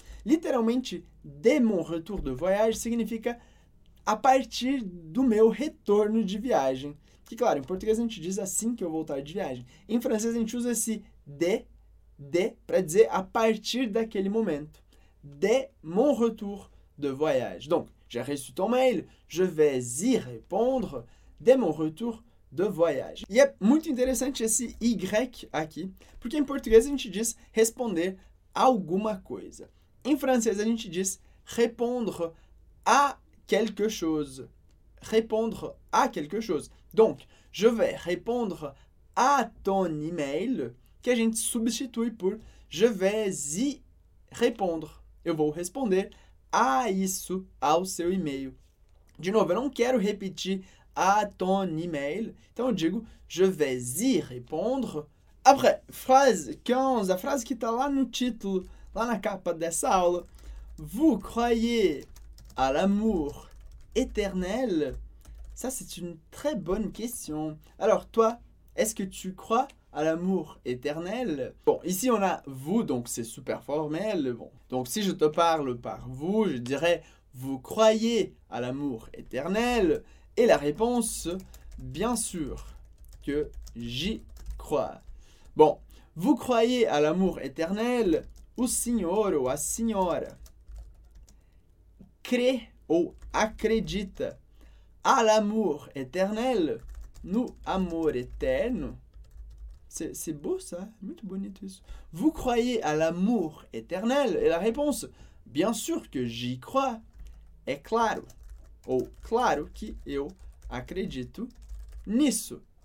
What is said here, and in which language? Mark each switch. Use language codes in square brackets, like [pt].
[pt] Literalmente, [fr] dès mon retour de voyage [pt] significa a partir do meu retorno de viagem. Que, claro, em português a gente diz assim que eu voltar de viagem. Em francês a gente usa esse de para dizer a partir daquele momento. [fr] Dès mon retour de voyage. Donc, j'ai reçu ton mail, je vais y répondre dès mon retour de voyage. [pt] E é muito interessante esse Y aqui, porque em português a gente diz responder alguma coisa. Em francês a gente diz [fr] répondre à quelque chose. Répondre à quelque chose. Donc, je vais répondre à ton email, [pt] que a gente substitui por [fr] je vais y répondre. [pt] Eu vou responder a isso, ao seu e-mail. De novo, eu não quero repetir [fr] à ton email, [pt] então eu digo [fr] je vais y répondre. Après, phrase 15, [pt] a frase que está lá no título, lá na capa dessa aula. [fr] Vous croyez à l'amour éternel? Ça, c'est une très bonne question. Alors, toi, est-ce que tu crois à l'amour éternel? Bon, ici, on a vous, donc c'est super formel. Bon, donc, si je te parle par vous, je dirais vous croyez à l'amour éternel? Et la réponse, bien sûr que j'y crois. Bon, vous croyez à l'amour éternel? [pt] O senhor ou a senhora crê ou acredita [fr] à l'amour éternel, [pt] no amor eterno? [fr] C'est beau ça, [pt] muito bonito isso. [fr] Vous croyez à l'amour éternel? Et la réponse, bien sûr que j'y crois. [pt] É claro, ou claro que eu acredito nisso.